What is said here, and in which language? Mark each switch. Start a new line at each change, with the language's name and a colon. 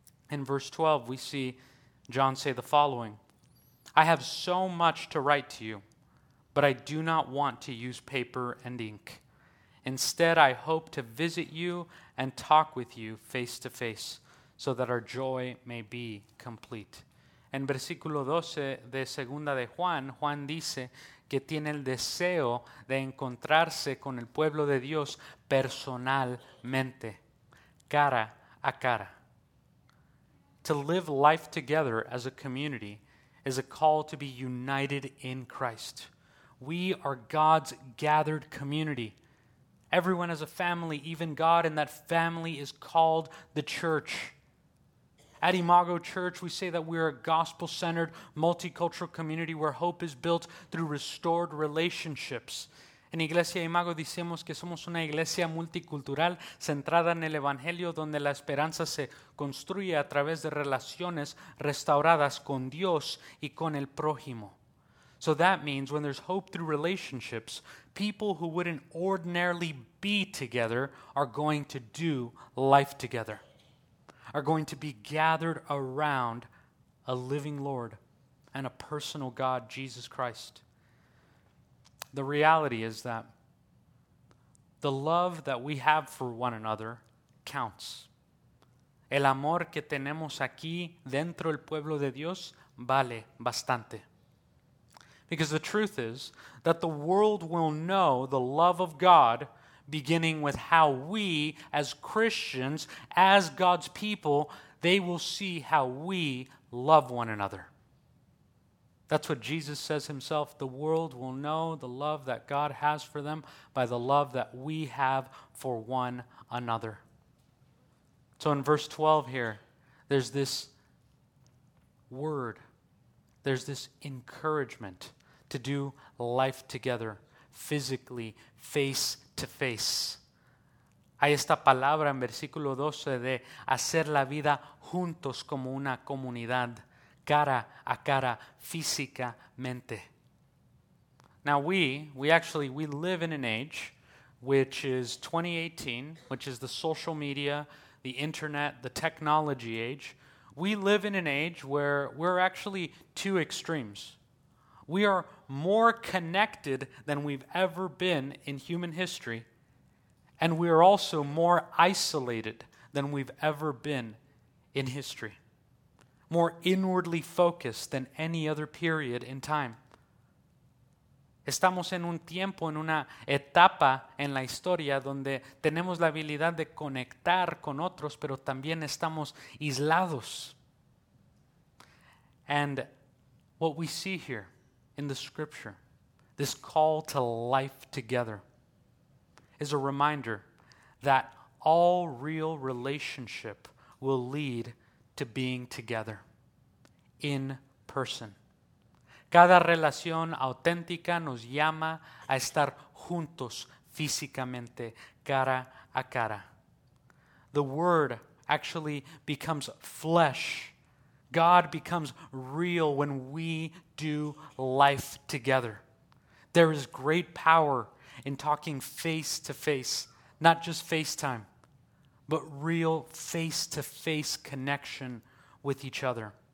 English: In verse 12, we see John say the following, "I have so much to write to you, but I do not want to use paper and ink. Instead, I hope to visit you and talk with you face to face, so that our joy may be complete."
Spanish: En versículo 12 de segunda de Juan, Juan dice que tiene el deseo de encontrarse con el pueblo de Dios personalmente, cara a cara.
English: To live life together as a community is a call to be united in Christ. We are God's gathered community. Everyone has a family, even God, and that family is called the church. At Imago Church, we say that we are a gospel-centered, multicultural community where hope is built through restored relationships.
Spanish: En Iglesia Imago decimos que somos una iglesia multicultural centrada en el Evangelio donde la esperanza se construye a través de relaciones restauradas con Dios y con el prójimo.
English: So that means when there's hope through relationships, people who wouldn't ordinarily be together are going to do life together, are going to be gathered around a living Lord and a personal God, Jesus Christ. The reality is that the love that we have for one another counts.
Spanish: El amor que tenemos aquí dentro del pueblo de Dios vale bastante.
English: Because the truth is that the world will know the love of God beginning with how we as Christians, as God's people, they will see how we love one another. That's what Jesus says himself. The world will know the love that God has for them by the love that we have for one another. So in verse 12 here, there's this word. There's this encouragement to do life together, physically, face to face.
Spanish: Hay esta palabra en versículo 12 de hacer la vida juntos como una comunidad. Cara a cara, físicamente.
English: Now we live in an age which is 2018, which is the social media, the internet, the technology age. We live in an age where we're actually two extremes. We are more connected than we've ever been in human history, and we are also more isolated than we've ever been in history. More inwardly focused than any other period in time.
Spanish: Estamos en un tiempo, en una etapa en la historia donde tenemos la habilidad de conectar con otros, pero también estamos aislados.
English: And what we see here in the scripture, this call to life together, is a reminder that all real relationship will lead to being together. In person.
Spanish: Cada relación auténtica nos llama a estar juntos físicamente, cara a cara.
English: The word actually becomes flesh. God becomes real when we do life together. There is great power in talking face to face, not just FaceTime, but real face to face connection with each other.